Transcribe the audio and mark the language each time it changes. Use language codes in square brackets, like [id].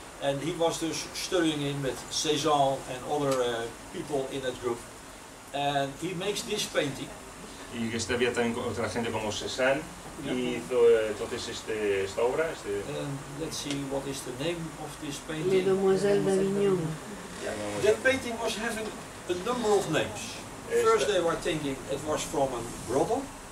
[en] And he was just studying in with Cézanne and other people in that group. And he makes this painting. [es] Y que este había también otra gente como Cézanne. Yeah. Y hizo entonces esta obra. [en] Let's see what is the name of this painting. [fr] Le Demoiselle d'Avignon. [en] Yeah. That painting was having a number of names. First they were thinking it was from a brothel.